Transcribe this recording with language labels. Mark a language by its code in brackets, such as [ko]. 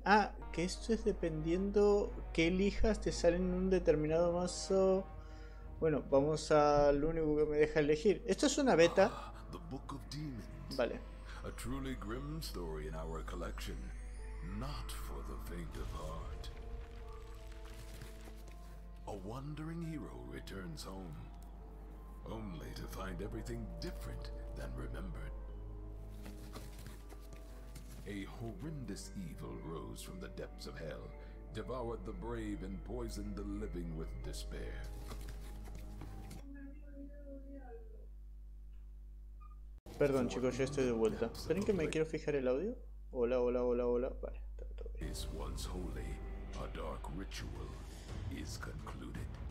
[es] Ah, que esto es dependiendo qué elijas, te sale en un determinado mazo. Bueno, vamos al único que me deja elegir. Esto es una beta. The Book of Demons. Vale. [en] A truly grim story in our collection. Not for the faint of heart. A wandering hero returns home. Only to find everything different than remembered. A horrendous evil rose from the depths of hell, devoured the brave and poisoned the living with despair. [es] Perdón, chicos, ya estoy de vuelta. ¿Esperen que me quiero fijar el audio? Hola, hola, hola, hola. Vale, está todo bien. [en] Is once holy, a dark ritual is concluded.